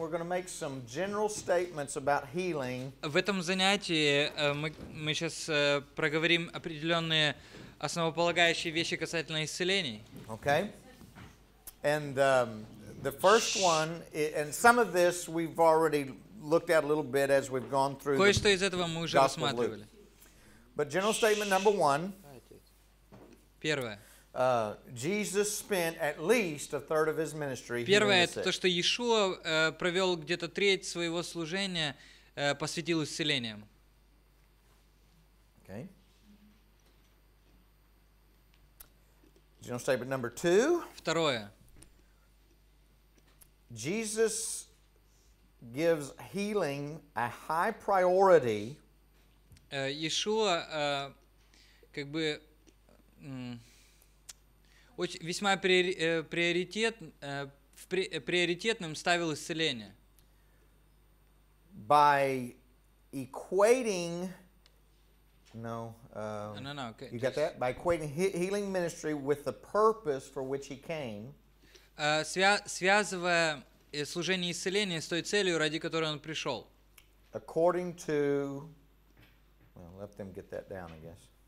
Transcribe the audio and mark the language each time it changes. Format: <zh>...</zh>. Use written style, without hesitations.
<en>We're going to make some general statements about healing.</en> <ru>В этом занятии мы сейчас проговорим определенные основополагающие вещи касательно исцелений.</ru> <en>Okay. And the first one, and some of this we've already looked at a little bit as we've gone through.</en> <ru>Кое-что из этого мы уже рассматривали.</ru> <en>But general statement number one.</en> <ru>Первое.</ru> <en>Jesus spent at least a third of his ministry.</en> <ru>Первое это то, что Иешуа провел где-то треть своего служения, посвятил исцелениям.</ru> <en>Okay. General statement number two.</en> <ru>Второе.</ru> <en>Jesus gives healing a high priority.</en> <ru>Иешуа как бы весьма приоритетным ставил исцеление.</ru> <en>By equating, you got that? By equating healing ministry with the purpose for which he came.</en> <ru>Связывая служение исцеления с той целью, ради которой он пришел.</ru> <en>According to, well, let them get that down, I guess.</en>